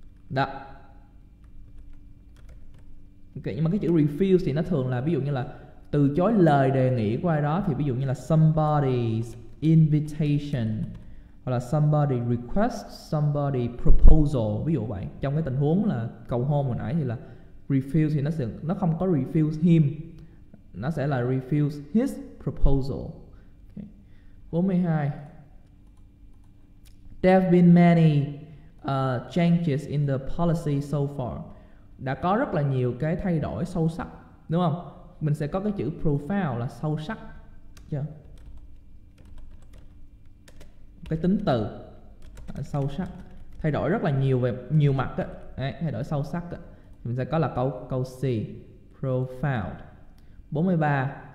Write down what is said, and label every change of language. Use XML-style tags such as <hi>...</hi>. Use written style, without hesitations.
<vi>Đó. Ok, nhưng mà cái chữ refuse thì nó thường là ví dụ như là từ chối lời đề nghị của ai đó, thì ví dụ như là</vi> <en>somebody's invitation</en> <vi>hoặc là</vi> <en>somebody request somebody proposal,</en> <vi>ví dụ vậy. Trong cái tình huống là cầu hôn hồi nãy thì là refuse, thì nó không có</vi> <en>refuse him,</en> <vi>nó sẽ là</vi> <en>refuse his proposal.</en> <vi>Okay. 42.</vi> <en>There have been many changes in the policy so far.</en> <vi>Đã có rất là nhiều cái thay đổi sâu sắc, đúng không? Mình sẽ có cái chữ profound là sâu sắc, chưa? Cái tính từ sâu sắc, thay đổi rất là nhiều về nhiều mặt á. Đấy, thay đổi sâu sắc á. Mình sẽ có là câu C, profound. 43.</vi>